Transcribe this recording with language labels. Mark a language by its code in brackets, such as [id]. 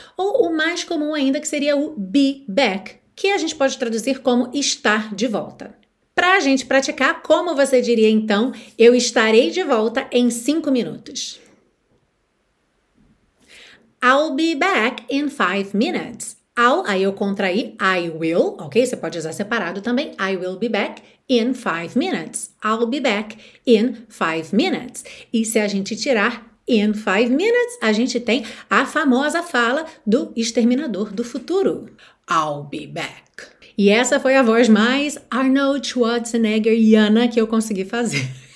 [pt] Ou o mais comum ainda, que seria o be back, que a gente pode traduzir como estar de volta. Para a gente praticar, como você diria então, eu estarei de volta em 5 minutos? [en] I'll be back in 5 minutes. I'll, [pt] aí eu contraí, [en] I will, ok? [pt] Você pode usar separado também. [en] I will be back in 5 minutes. I'll be back in 5 minutes. [pt] E se a gente tirar in 5 minutes, a gente tem a famosa fala do Exterminador do Futuro. [en] I'll be back. [pt] E essa foi a voz mais Arnold Schwarzenegger-iana que eu consegui fazer.